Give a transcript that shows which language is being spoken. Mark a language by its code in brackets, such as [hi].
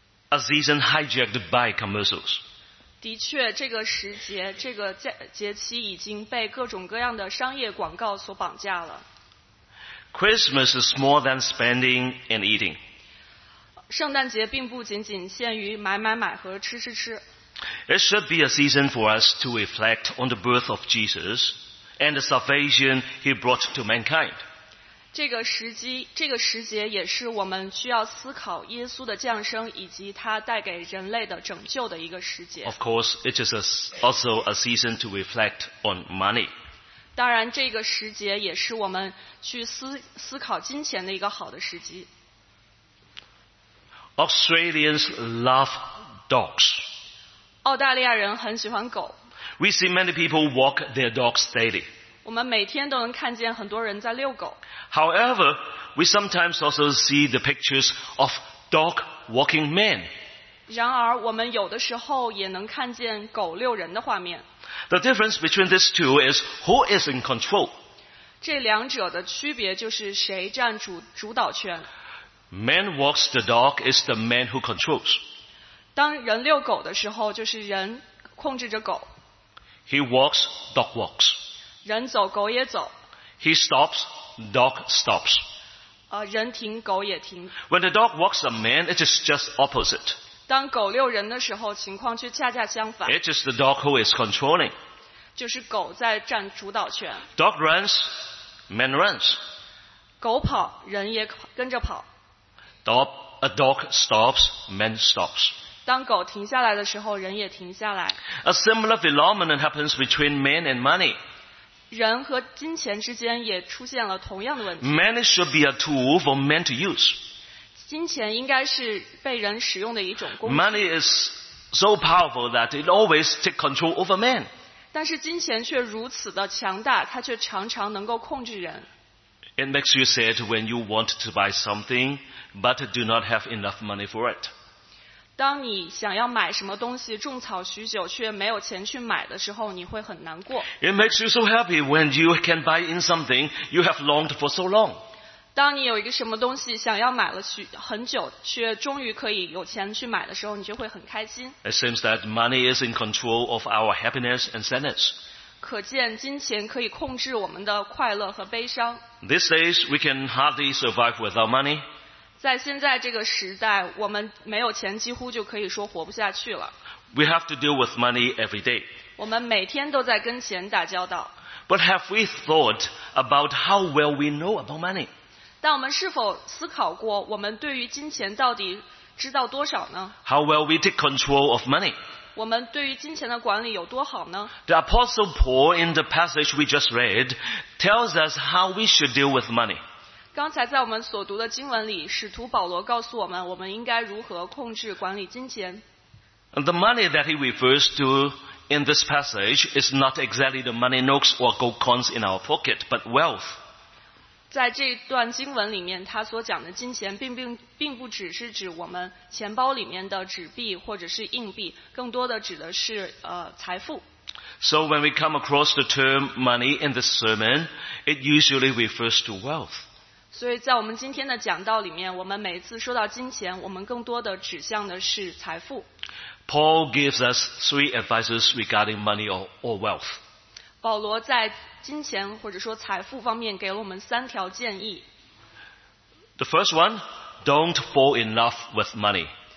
[en] A season hijacked by commercials. [zh] 的确，这个时节，这个节期已经被各种各样的商业广告所绑架了。 [en] Christmas is more than spending and eating. [zh] 圣诞节并不仅仅限于买买买和吃吃吃。 [en] It should be a season for us to reflect on the birth of Jesus and the salvation he brought to mankind. [zh] 这个时节也是我们需要思考耶稣的降生以及他带给人类的拯救的一个时节。 [en] Of course, it is also a season to reflect on money. [zh] 当然，这个时节也是我们去思考金钱的一个好的时机。 [en] Australians love dogs. [zh] 澳大利亚人很喜欢狗。 [en] We see many people walk their dogs daily. [zh] 我们每天都能看见很多人在遛狗。 [en] However, we sometimes also see the pictures of dog walking men. [zh] 然而，我们有的时候也能看见狗遛人的画面。 [en] The difference between these two is who is in control. [zh] 这两者的区别就是谁占主导权。 [en] Man walks the dog is the man who controls. [zh] 当人遛狗的时候，就是人控制着狗。 [en] He walks, dog walks. [zh] 人走狗也走。 [en] He stops, dog stops. [zh] 人停狗也停。 [en] When the dog walks a man, it is just opposite. [zh] 当狗遛人的时候，情况却恰恰相反。 [en] It is the dog who is controlling. [zh] 就是狗在占主导权。 [en] Dog runs, man runs. [zh] 狗跑，人也跟着跑。 [en] A dog stops, man stops. [zh] 当狗停下来的时候，人也停下来。 [en] A similar phenomenon happens between man and money. [zh] 人和金钱之间也出现了同样的问题。 [en] Money should be a tool for men to use. [zh] 金钱应该是被人使用的一种工具。 [en] Money is so powerful that it always takes control over men. [zh] 但是金钱却如此的强大，它却常常能够控制人。 [en] It makes you sad when you want to buy something, but do not have enough money for it. [zh] 当你想要买什么东西，种草许久却没有钱去买的时候，你会很难过。 [en] It makes you so happy when you can buy in something you have longed for so long. [zh] 当你有一个什么东西想要买了很久，却终于可以有钱去买的时候，你就会很开心。 [en] It seems that money is in control of our happiness and sadness. [zh] 可见金钱可以控制我们的快乐和悲伤。 [en] These days we can hardly survive without money. [zh] 在现在这个时代，我们没有钱几乎就可以说活不下去了。 [en] We have to deal with money every day. [zh] 我们每天都在跟钱打交道。 [en] But have we thought about how well we know about money? [zh] 但我们是否思考过我们对于金钱到底知道多少呢？ [en] How well we take control of money? [zh] 我们对于金钱的管理有多好呢？ [en] The Apostle Paul in the passage we just read tells us how we should deal with money. [zh] 刚才在我们所读的经文里，使徒保罗告诉我们，我们应该如何控制管理金钱。 [en] The money that he refers to in this passage is not exactly the money notes or gold coins in our pocket, but wealth. [zh] 在这段经文里面，他所讲的金钱并不只是指我们钱包里面的纸币或者是硬币，更多的指的是财富。 [en] So when we come across the term money in this sermon, it usually refers to wealth. [zh] 所以在我们今天的讲道里面，我们每次说到金钱，我们更多的指向的是财富。 [en] Paul gives us three advices regarding money or wealth. [zh] 保罗在金钱或者说财富方面给了我们三条建议。 [en] The first one, don't fall in love with money.